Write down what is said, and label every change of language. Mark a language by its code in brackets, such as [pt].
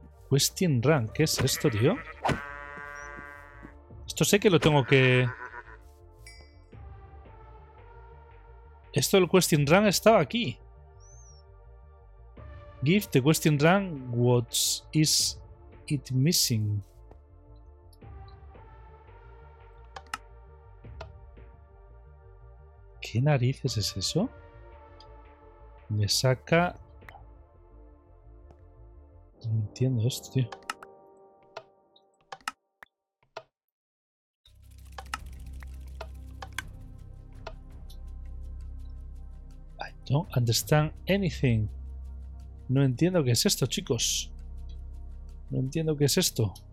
[es] Questing Rank, ¿qué es esto, tío? Esto sé que lo tengo que... Esto del Questing Rank estaba aquí. [en] Give the Questing Rank, what is it missing? [es] ¿Qué narices es eso? Me saca... No entiendo esto, tío. [en] Don't understand anything. [es] No entiendo qué es esto, chicos. No entiendo qué es esto.